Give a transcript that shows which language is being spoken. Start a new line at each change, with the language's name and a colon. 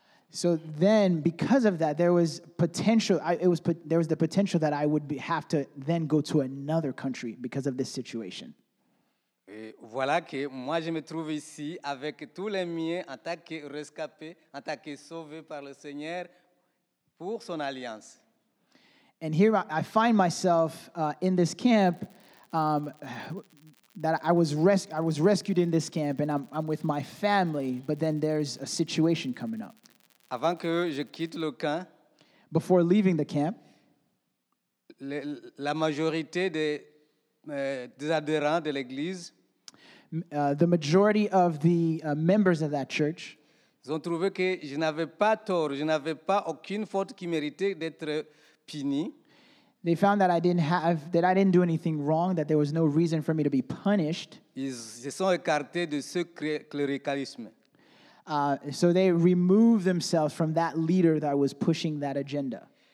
English: So then, because of that, there was potential. There was the potential that I would have to then go to another country because of this situation.
French: Et voilà que moi je me trouve ici avec tous les miens en tant que rescapé, en tant que sauvé par le Seigneur pour son alliance.
English: And here I find myself in this camp. That I was rescued in this camp, and I'm with my family. But then there's a situation coming up.
French: Avant que je quitte le camp,
English: before leaving the camp,
French: la majorité des adhérents de l'église,
English: the majority of the members of that church,
French: ils ont trouvé que je n'avais pas tort, je n'avais pas aucune faute qui méritait d'être puni.
English: They found that I didn't do anything wrong, that there was no reason for me to be punished.
French: Ils se sont écartés de ce cléricalisme.
English: So they removed themselves from that leader that was pushing that agenda.